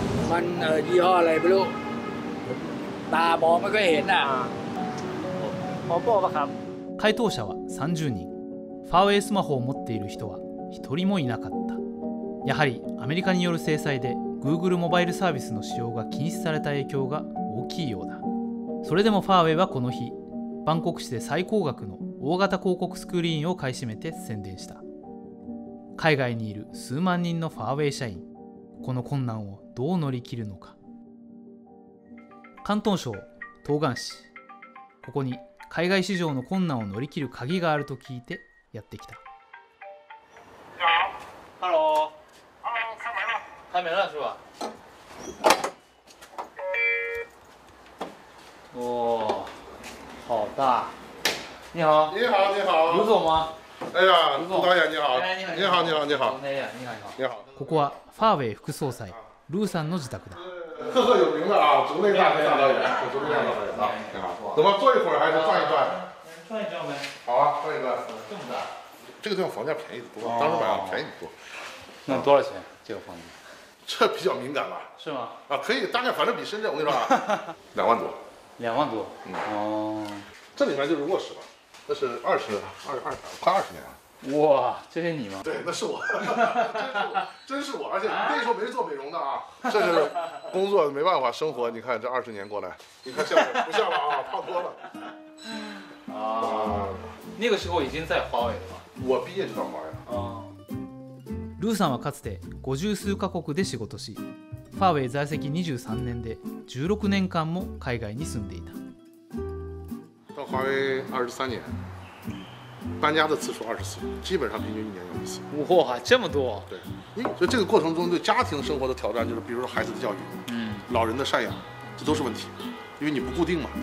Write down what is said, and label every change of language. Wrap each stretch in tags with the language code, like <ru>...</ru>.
<th>มันยี่ห้ออะไรไม่รู้ตาบอกไม่ค่อยเห็นอ่ะ ผมบอกว่าครับ</th> <ja>回答者は30人。ファーウェイスマホを持っている人は一人もいなかった。やはりアメリカによる制裁で Google モバイルサービスの使用が禁止された影響が大きいようだ。それでもファーウェイはこの日、バンコク市で最高額の大型広告スクリーンを買い占めて宣伝した。海外にいる数万人のファーウェイ社員、この困難をどう乗り切るのか。広東省東莞市、ここに海外市場の困難を乗り切る鍵があると聞いてやってきた。</ja> <en>ハロー。ハロー、</en> <zh>開門了。開門了是吧？哦，好大。你好。你好，你好。刘总吗？哎呀，刘总大爷你好。你好，你好，你好。你好，你好，你好。你好。</zh> <ja>ここはファーウェイ副総裁ルーさんの自宅だ。</ja> <zh>赫赫有名的啊，竹内大导演，竹内大导演啊，你好。怎么坐一会儿还是转一转？转一转呗。好啊，转一转。这么大？这个地方房价便宜的多，当时买啊便宜的多。那多少钱这个房子？这比较敏感吧？是吗？啊，可以，大概反正比深圳，我跟你说啊，两万多。两万多。嗯。哦。这里面就是卧室吧？那是二十，快二十年了。哇，这是你吗？对，那是我，真是我，真是我，而且那时候没做美容的啊，这是工作没办法，生活你看这二十年过来，你看像不像了啊？胖多了。啊，那个时候已经在华为了吗？我毕业就到华为了。啊。</zh> <ja>ルーさんはかつて50数カ国で仕事し、ファーウェイ在籍23年で16年間も海外に住んでいた。</ja> <zh>到华为23年。搬家的次数24，基本上平均一年有一次。哇，这么多！对，所以这个过程中对家庭生活的挑战就是，比如说孩子的教育，嗯，老人的赡养，这都是问题，因为你不固定嘛，</zh>